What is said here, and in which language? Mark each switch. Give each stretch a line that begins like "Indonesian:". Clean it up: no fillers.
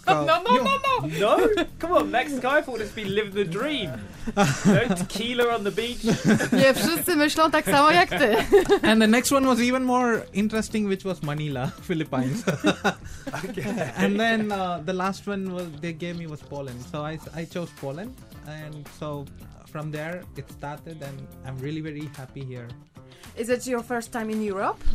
English: no, come on, Mexico, I thought it'd be living the dream. No tequila on the beach.
Polish: Nie, wszyscy myślą tak samo jak ty.
English: And the next one was even more interesting, which was Manila, Philippines. Okay. And then the last one they gave me was Poland. So I chose Poland. And so from there it started, and I'm really very happy here. Is it your first time in Europe?